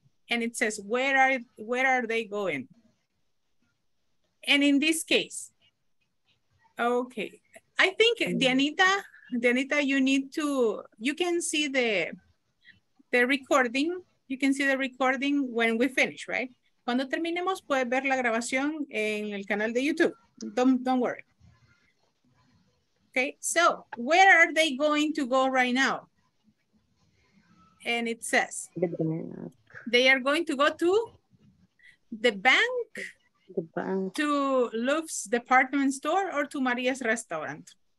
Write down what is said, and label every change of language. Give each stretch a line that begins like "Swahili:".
English: And it says, where are they going? And in this case, okay. I think Dianita, you can see the recording. You can see the recording when we finish, right?
Spanish: Cuando terminemos, puedes ver la grabación en el canal de YouTube.
English: Don't worry. Okay, so where are they going to go right now? And it says, they are going to go to the bank, to Luf's department store or to Maria's restaurant.